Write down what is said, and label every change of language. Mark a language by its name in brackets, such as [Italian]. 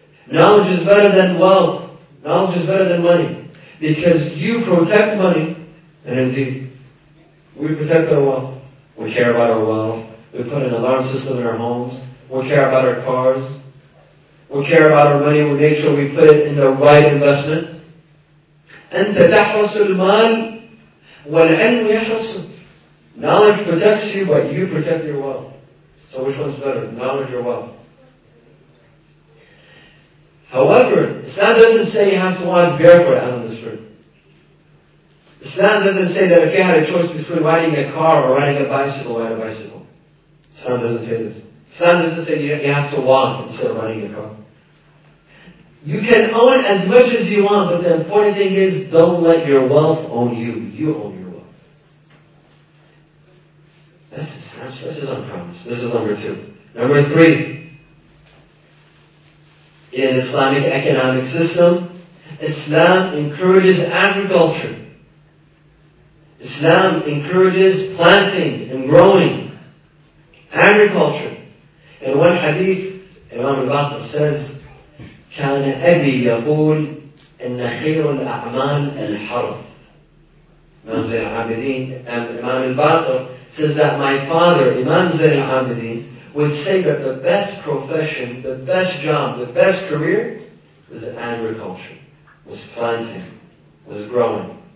[English] Knowledge is better than wealth. Knowledge is better than money. Because you protect money. And indeed, we protect our wealth. We care about our wealth. We put an alarm system in our homes. We care about our cars. We care about our money. We make sure we put it in the right investment. [Arabic] أنت تحرس المال والعلم يحرس. [English] Knowledge protects you, but you protect your wealth. So which one's better, knowledge or wealth? However, Islam doesn't say you have to walk barefoot out on the street. Islam doesn't say that if you had a choice between riding a car or riding a bicycle, ride a bicycle. Islam doesn't say this. Islam doesn't say you have to walk instead of riding a car. You can own as much as you want, but the important thing is don't let your wealth own you. You own your wealth. This is on promise. This is number two. Number three. In an Islamic economic system, Islam encourages agriculture. Islam encourages planting and growing. Agriculture. In one hadith, Imam al-Baqir says, [Arabic] كان أبي يقول إن خير الأعمال الحرث. [English] Imam Zain al-Abidin and Imam al-Baqir says that my father, Imam Zain al-Abidin, would say that the best profession, the best job, the best career was agriculture, was planting, was growing.